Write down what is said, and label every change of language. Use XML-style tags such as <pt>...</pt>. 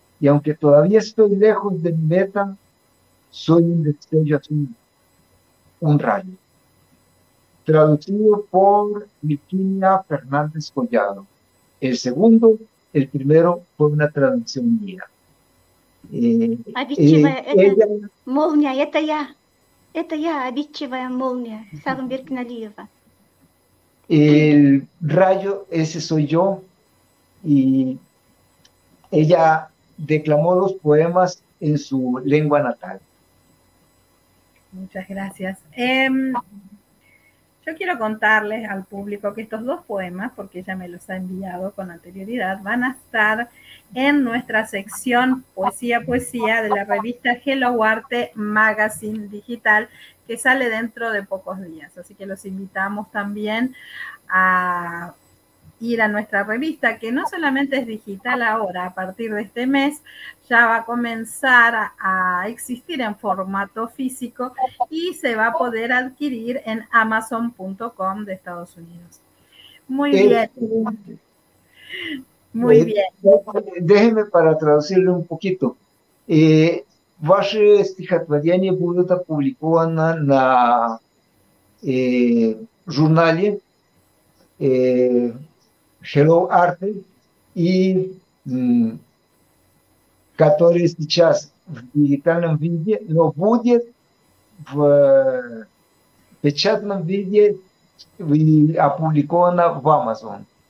<es>Y aunque todavía estoy lejos de mi meta, soy un destello azul, un rayo. Traducido por Virginia Fernández Collado. El segundo, el primero fue una traducción mía.</es> <ru>Обидчивая, это молния, это я. Это я, обидчивая молния, Сагымбек Налиева.</ru> <es>El rayo, ese soy yo. Y ella declamó los poemas en su lengua natal. Muchas gracias. Yo quiero contarles al público que estos dos poemas, porque ella me los ha enviado con anterioridad, van a estar en nuestra sección Poesía, Poesía de la revista Hello Arte Magazine Digital, que sale dentro de pocos días. Así que los invitamos también a ir a nuestra revista, que no solamente es digital ahora, a partir de este mes, ya va a comenzar a existir en formato físico y se va a poder adquirir en amazon.com de Estados Unidos. Muy bien. Muy bien. Déjeme para traducirle un poquito.</es> <ru>Ваше стихотворение будет опубликовано на журнале Hello Arte, и который сейчас в дигитальном виде, но будет в печатном виде и опубликовано в Amazon.</ru>